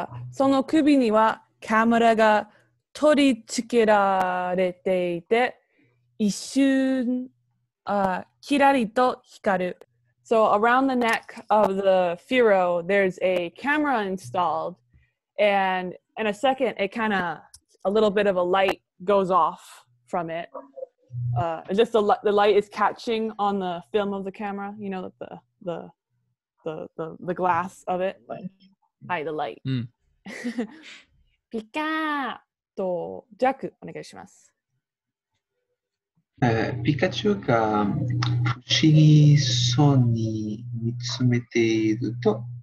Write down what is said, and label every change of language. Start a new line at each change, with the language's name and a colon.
Japanese: その首にはカメラが取り付けられていて一瞬キラリと光る。
English: So around the neck of the Firo, there's a camera installed, and in a second, it kind of, a little bit of a light goes off from it. Just the light is catching on the film of the camera, you know, the glass of it. Hi, the light.
Japanese: ピカーとジャクお願いします。ピカチュウが不思議そうに見つめていると、